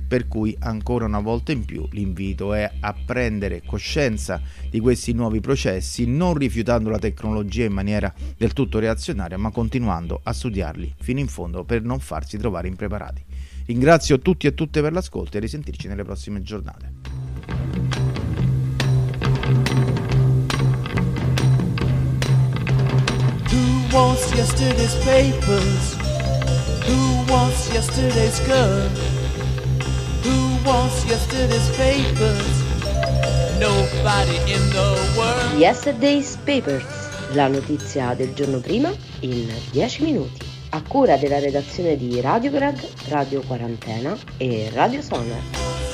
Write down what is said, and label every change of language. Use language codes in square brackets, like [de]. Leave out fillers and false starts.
[it] Per cui ancora una volta in più l'invito è a prendere coscienza di questi nuovi processi, non rifiutando la tecnologia in maniera del tutto reazionaria, ma continuando a studiarli fino in fondo per non farsi trovare impreparati. Ringrazio tutti e tutte per l'ascolto e a risentirci nelle prossime giornate. [en] Who wants yesterday's papers? Who wants yesterday's gun? Who wants yesterday's papers? Nobody in the world. Yesterday's papers. [it] La notizia del giorno prima in 10 minuti. A cura della redazione di Radiograd, Radio Quarantena e Radio Sonar.